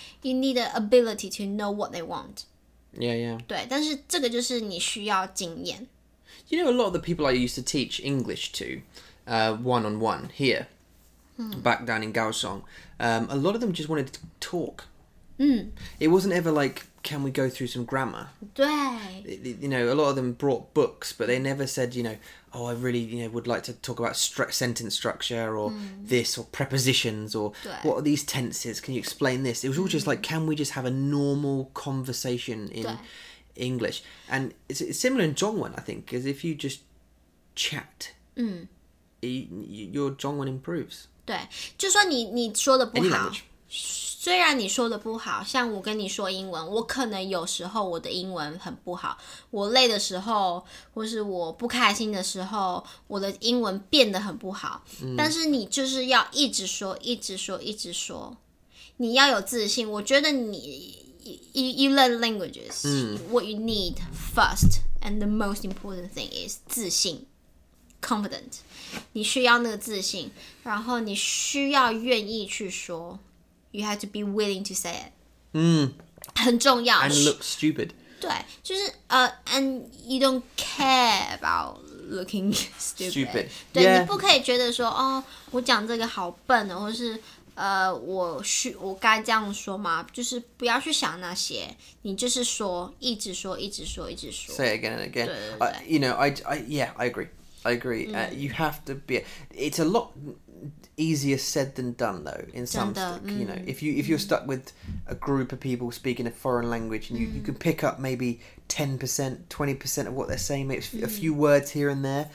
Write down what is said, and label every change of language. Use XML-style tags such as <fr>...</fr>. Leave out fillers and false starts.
<en>You need the ability to know what they want. Yeah, yeah.</en> <zh>对,但是这个就是你需要经验.</zh> <en>You know, a lot of the people I used to teach English to, one-on-one here, back down in Kaohsiung, a lot of them just wanted to talk. It wasn't ever like can we go through some grammar?</en> <zh>对。</zh> <en>You know, a lot of them brought books, but they never said, you know, oh, I really, you know, would like to talk about sentence structure or this or prepositions or what are these tenses? Can you explain this? It was all just like, can we just have a normal conversation in English? And it's similar in 中文, I think, because if you just chat, your 中文 improves.</en> <zh>对，就说你说的不好。虽然你说的不好，像我跟你说英文，我可能有时候我的英文很不好，我累的时候或是我不开心的时候，我的英文变得很不好，但是你就是要一直说一直说一直说，你要有自信。我觉得你</zh> <en>you learn languages what you need first and the most important thing is</en> <zh>自信 confident， 你需要那个自信，然后你需要愿意去说。</zh> <en>You have to be willing to say it.</en> <zh>很重要。</zh> <en>And look stupid.</en> <zh>对，就是</zh> <en>and you don't care about looking stupid.</en> <zh>对，</zh> <en>yeah.</en> <zh>你不可以觉得说，哦，我讲这个好笨哦，或是我该这样说吗？就是不要去想那些，你就是说，一直说，一直说，一直说。</zh> <en>Say it again and again.</en> <zh>对对对。</zh> <en>I agree. You have to be. It's a lot easier said than done, though. In some, you know, if you're stuck with a group of people speaking a foreign language, and you can pick up maybe 10%, 20% of what they're saying, maybe a few words here and there.</en>